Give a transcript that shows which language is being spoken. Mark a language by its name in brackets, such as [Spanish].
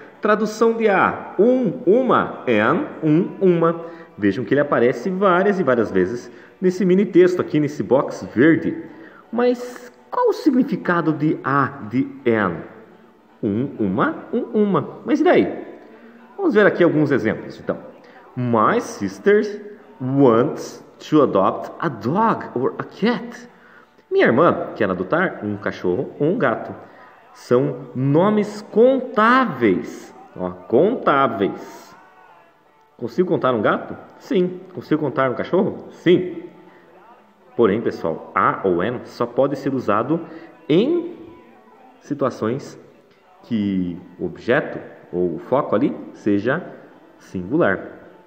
[Portuguese] Tradução de A, um, uma, an, um, uma. Vejam que ele aparece várias e várias vezes nesse mini texto aqui, nesse box verde. Mas qual o significado de A, de an? Um, uma, um, uma. Mas e daí? Vamos ver aqui alguns exemplos, então. [English] My sister wants to adopt a dog or a cat. [Portuguese] Minha irmã quer adotar um cachorro ou um gato. São nomes contáveis. Ó, contáveis. Consigo contar um gato? Sim. Consigo contar um cachorro? Sim. Porém, pessoal, a ou an só pode ser usado em situações que o objeto ou o foco ali seja singular.